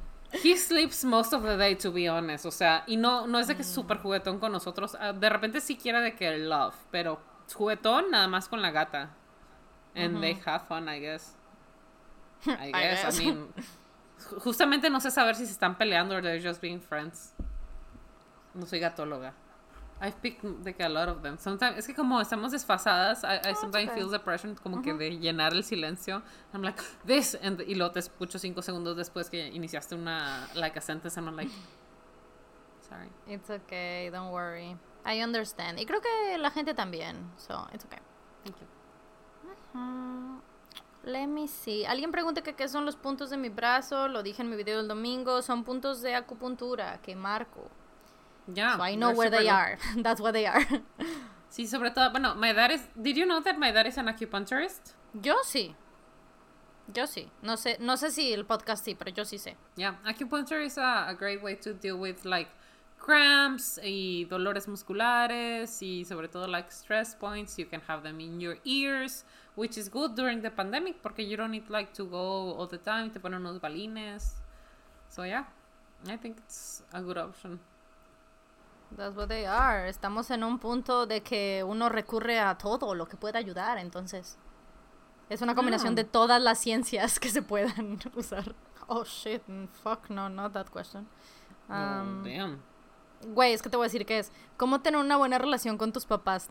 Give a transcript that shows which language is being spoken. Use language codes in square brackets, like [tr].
[en] He sleeps most of the day, to be honest. [es] O sea, y no es de que es super juguetón con nosotros. De repente sí quiere de que love, pero juguetón nada más con la gata. [en] And they have fun, I guess. I mean, [es] justamente no sé saber si se están peleando [en] or they're just being friends. [es] No soy gatóloga. [en] I pick like a lot of them. [es] Sometimes es que como estamos desfasadas, [en] I sometimes feel depression [es] como que de llenar el silencio. [en] I'm like this and [es] y luego te escucho 5 segundos después que iniciaste una [en] like a sentence and I'm like sorry. It's okay, don't worry. I understand. [es] Y creo que la gente también. [en] So it's okay. Thank you. Let me see. [es] Alguien pregunta que qué son los puntos de mi brazo. Lo dije en mi video el domingo. Son puntos de acupuntura que marco. [en] Yeah, so I know where they are. That's where they are. [es] Sí, sobre todo, bueno, [en] my dad is... Did you know that my dad is an acupuncturist? [es] Yo sí. No sé si el podcast sí, pero yo sí sé. [en] Yeah, acupuncture is a great way to deal with, like, cramps [es] y dolores musculares y sobre todo, [en] like, stress points. You can have them in your ears, which is good during the pandemic porque you don't need, like, to go all the time. [es] Te ponen unos balines. [en] So, yeah, I think it's a good option. That's what they are. [es] Estamos en un punto de que uno recurre a todo lo que pueda ayudar, entonces. Es una combinación de todas las ciencias que se puedan usar. [en] Oh, shit. Fuck, no, not that question. Damn. [es] Güey, es que te voy a decir qué es. ¿Cómo tener una buena relación con tus papás?